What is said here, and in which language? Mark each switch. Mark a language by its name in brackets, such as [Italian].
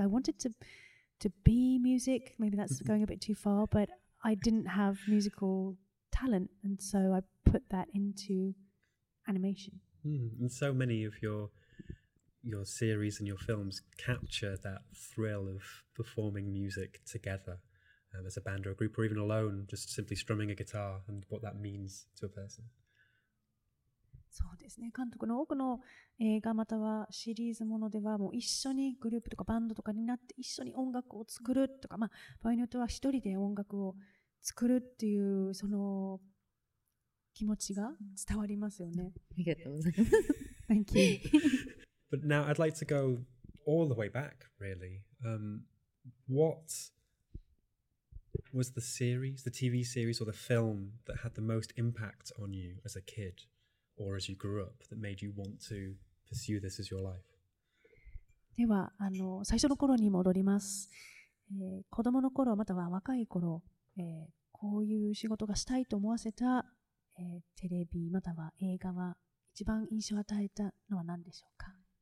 [English] I wanted to be music. Maybe that's going a bit too far, but I didn't have musical talent, and so I put that into animation. And so many of your series and your films capture that thrill of performing music together, as a band or a group, or even alone, just simply strumming a guitar, and what that means to a person. [Japanese] そうですね、監督の多くの映画またはシリーズものではもう一緒にグループとかバンドとかになって一緒に音楽を作るとか、まあ、場合によっては一人で音楽を作るっていうその気持ちが伝わりますよね。ありがとうございます。 [English] Thank you. But now I'd like to go all the way back, really. What was the series, the TV series or the film that had the most impact on you as a kid? Or as you grew up, that made you want to pursue this as your life? [Japanese] では、あの、最初の頃に戻ります。子供の頃、または若い頃、こういう仕事がしたいと思わせた、テレビ、または映画は一番印象を与えたのは何でしょうか？